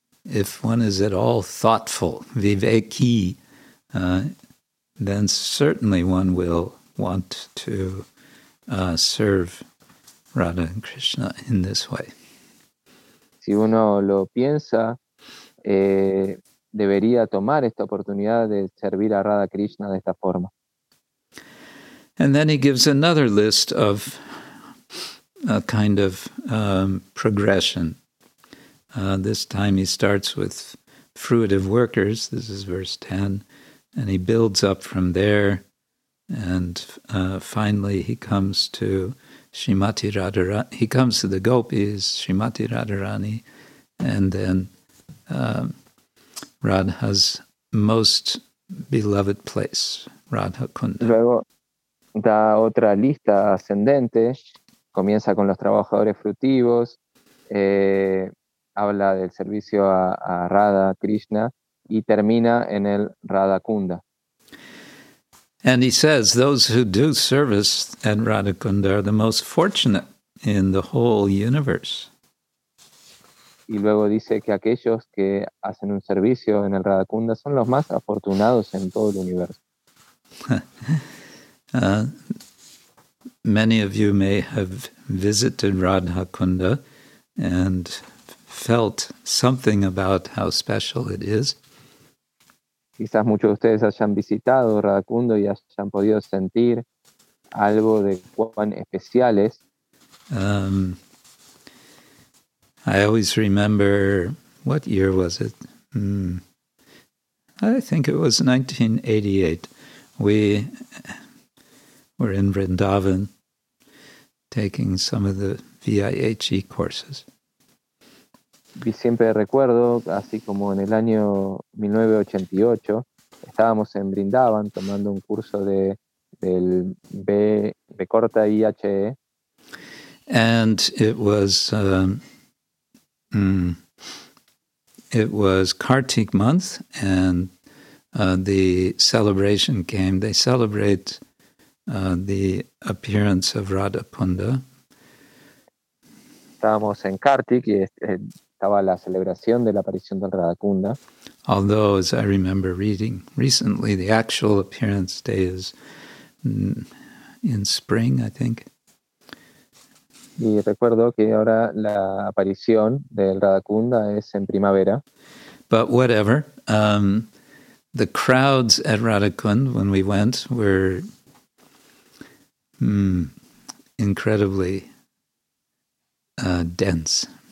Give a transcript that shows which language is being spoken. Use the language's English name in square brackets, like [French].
[English] If one is at all thoughtful, viveki, then certainly one will want to serve Radha and Krishna in this way. [Spanish] Si uno lo piensa, debería tomar esta oportunidad de servir a Radha Krishna de esta forma. [English] And then he gives another list of a kind of progression. This time he starts with fruitive workers. This is verse 10. And he builds up from there. And finally he comes to Srimati Radharani. He comes to the gopis, Srimati Radharani, and then Radha's most beloved place, Radhakunda. [Spanish] Luego da otra lista ascendente. Comienza con los trabajadores frutivos. Habla del servicio a Radha Krishna y termina en el Radhakunda. [English] And he says those who do service at Radhakunda are the most fortunate in the whole universe. [Spanish] Y luego dice que aquellos que hacen un servicio en el Radhakunda son los más afortunados en todo el universo. [English] Many of you may have visited Radhakunda and felt something about how special it is. [Spanish] Quizás muchos de ustedes hayan visitado Radhakunda y hayan podido sentir algo de cuán especial es. [English] I always remember, what year was it? I think it was 1988. We were in Vrindavan taking some of the VIHE courses. [Spanish] Y siempre recuerdo, así como en el año 1988, estábamos en Vrindavan tomando un curso del B corta IHE. [English] And it was Kartik month, and the celebration came. They celebrate the appearance of Radhakunda. [Spanish] Estábamos en Kartik y estaba la celebración de la aparición del Radhakunda. [English] Although, as I remember reading recently, the actual appearance day is in spring, I think. [Spanish] Y recuerdo que ahora la aparición del Radhakunda es en primavera. [English] But whatever, the crowds at Radhakunda when we went were incredibly dense.